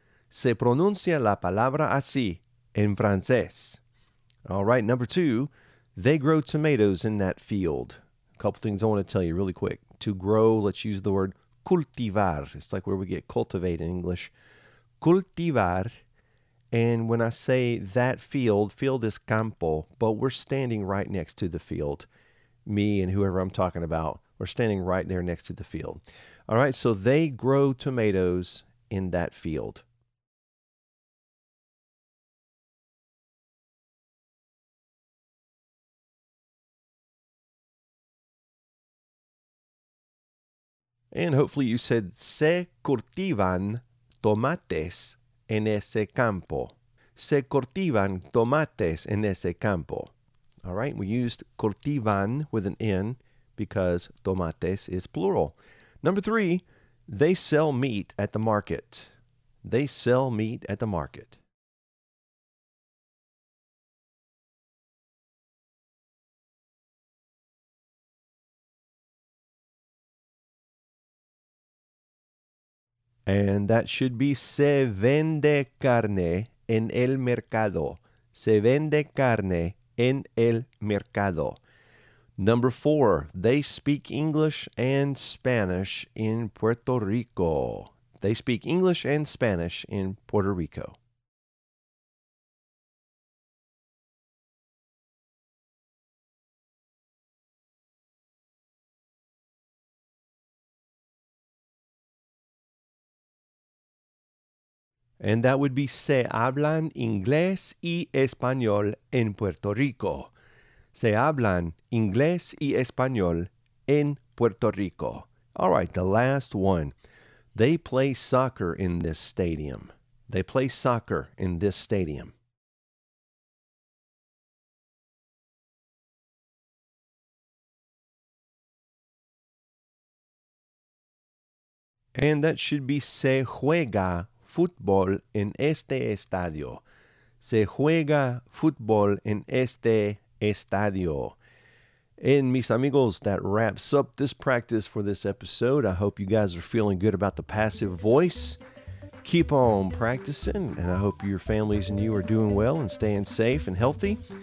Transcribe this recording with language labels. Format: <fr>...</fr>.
<es>Se pronuncia la palabra así en francés.</es> <en>All right, number two, they grow tomatoes in that field. A couple things I want to tell you really quick. To grow, let's use the word cultivar. It's like where we get cultivate in English. Cultivar. And when I say that field, field is campo, but we're standing right next to the field. Me and whoever I'm talking about, we're standing right there next to the field. All right, so they grow tomatoes in that field. And hopefully you said,</en> <es>se cultivan tomates en ese campo. Se cultivan tomates en ese campo.</es> <en>All right, we used cultivan with an N because tomates is plural. Number three, they sell meat at the market. They sell meat at the market. And that should be</en> <es>se vende carne en el mercado. Se vende carne en el mercado.</es> <en>Number four, they speak English and Spanish in Puerto Rico. They speak English and Spanish in Puerto Rico. And that would be</en> <es>se hablan inglés y español en Puerto Rico. Se hablan inglés y español en Puerto Rico.</es> <en>All right, the last one. They play soccer in this stadium. They play soccer in this stadium. And that should be</en> <es>se juega fútbol en este estadio. se juega fútbol en este estadio.</es> <en>And</en> <es>mis amigos,</es> <en>that wraps up this practice for this episode. I hope you guys are feeling good about the passive voice. Keep on practicing, and I hope your families and you are doing well and staying safe and healthy.</en>